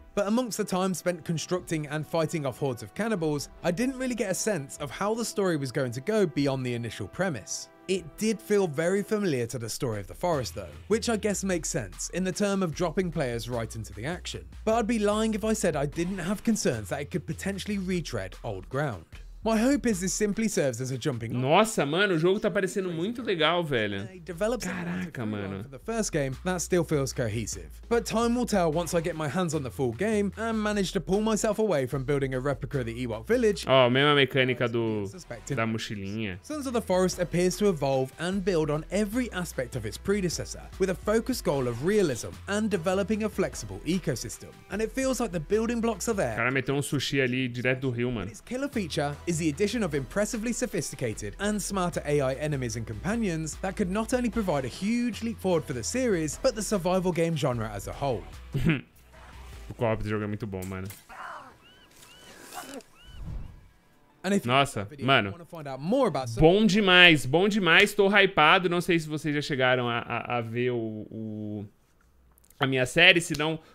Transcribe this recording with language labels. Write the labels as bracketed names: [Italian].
[English] But amongst the time spent constructing and fighting off hordes of cannibals, I didn't really get a sense of how the story was going to go beyond the initial premise. It did feel very familiar to the story of the forest, though, which I guess makes sense in the term of dropping players right into the action. But I'd be lying if I said I didn't have concerns that it could potentially retread old ground. My hope is this simply serves as a jumping off. [Portuguese] Nossa, mano, o jogo tá parecendo muito legal, velho. Caraca, mano. [English] For the first game, that still feels cohesive. But time will tell once I get my hands on the full game and manage to pull myself away from building a replica of the Ewok village. [Portuguese] Ó, mesma mecânica da mochilinha. [English] Sons of the Forest appears to evolve and build on every aspect of its predecessor, with a focused goal of realism and developing a flexible ecosystem. And it feels like the building blocks are there. [Portuguese] O cara meteu um sushi ali direto do rio, mano. [English] Its killer feature is the addition of impressively sophisticated and smarter AI enemies and companions that could not only provide a huge leap forward for the series, but the survival game genre as a whole. [Portuguese] O co-op do jogo é muito bom, mano. Nossa, mano, bom demais, bom demais. Tô hypado, não sei se vocês já chegaram a ver a minha série, se não...